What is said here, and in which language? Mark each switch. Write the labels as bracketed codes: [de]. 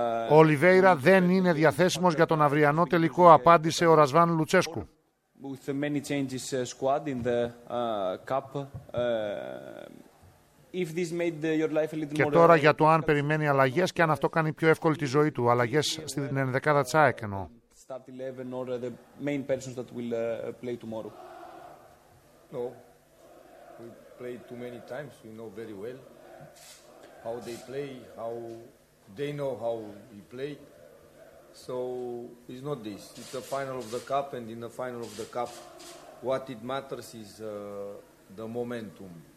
[el] ο Ολιβέιρα δεν είναι διαθέσιμος για τον αυριανό τελικό, απάντησε ο Ρασβάν Λουτσέσκου. [en] With many changes squad in the cup, if this made your life a little more... [el] Και τώρα για το αν περιμένει αλλαγές και αν αυτό κάνει πιο εύκολη τη ζωή του, αλλαγές στην ενδεκάδα ΤΣΑΕΚ εννοώ. [en] Start 11 or the main persons that will play tomorrow. No, we played too many times, we know very well. How they play, how they know how we play. So it's not this. It's the final of the cup, and in the final of the cup, what it matters is the momentum.